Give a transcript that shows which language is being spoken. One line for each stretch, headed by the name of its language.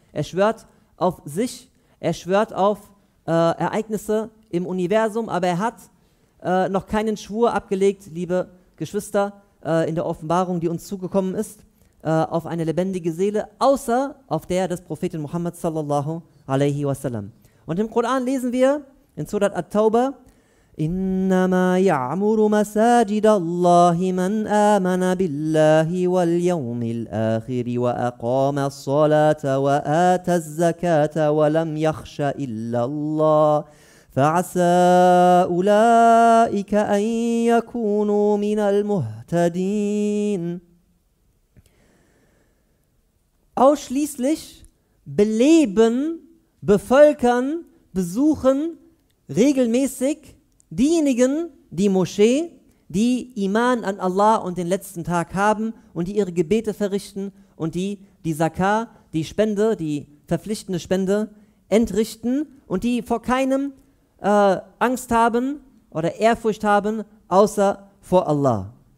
German: Er schwört auf sich, er schwört auf Ereignisse im Universum, aber er hat noch keinen Schwur abgelegt, liebe Geschwister, in der Offenbarung, die uns zugekommen ist, auf eine lebendige Seele, außer auf der des Propheten Muhammad sallallahu alaihi wasallam. Und im Koran lesen wir in Surat At-Tawbah:
Arabic: إنما يعمر مساجد الله من آمن بالله واليوم الآخر وأقام الصلاة وآتى الزكاة ولم يخش إلا الله فعسى أولئك أن يكونوا من المهتدين.
German: Ausschließlich beleben, bevölkern, besuchen regelmäßig diejenigen, die Moschee, die Iman an Allah und den letzten Tag haben und die ihre Gebete verrichten und die die Zakat, die Spende, die verpflichtende Spende entrichten und die vor keinem Angst haben oder Ehrfurcht haben, außer vor Allah.